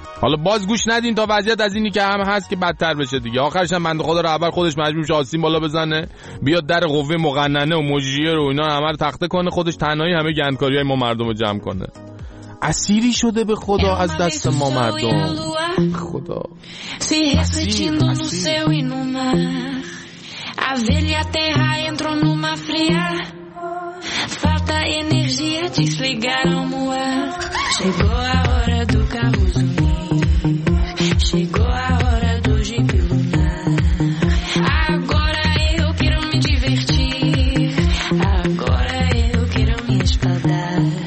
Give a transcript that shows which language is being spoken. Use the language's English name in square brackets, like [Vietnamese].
[Persian] حالا باز گوش ندین تا وضعیت از اینی که هم هست که بدتر بشه دیگه. آخرش هم بنده خدا رهبر خودش مجبور شه آستین بالا بزنه، بیاد در قوه مقننه و مجریه رو اینا همه رو تخته کنه، خودش تنهایی همه گندکاری های ما مردم رو جمع کنه. اسیری شده به خدا از دست ما مردم. خدا اسیر [Portuguese] Falta energia, desligaram o ar. Chegou a hora do carro zunir. Chegou a hora do jipe lunar. Agora eu quero me divertir. Agora eu quero me espaldar.